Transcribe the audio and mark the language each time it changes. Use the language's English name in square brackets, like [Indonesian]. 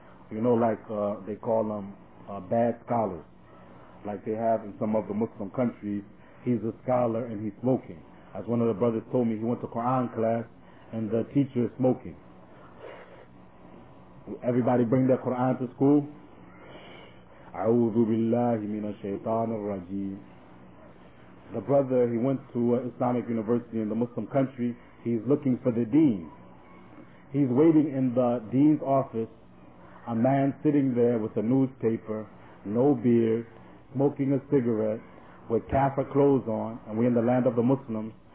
[English] You know, like they call them bad scholars, like they have in some of the Muslim countries. He's a scholar and he's smoking. As one of the brothers told me, he went to Quran class and the teacher is smoking. Everybody bring their Quran to school. [Arabic] أعوذ بالله من الشيطان الرجيم. [English] The brother, he went to an Islamic university in the Muslim country. He's looking for the dean. He's waiting in the dean's office. A man sitting there with a newspaper, no beard, smoking a cigarette, with kafir clothes on, and we're in the land of the Muslims.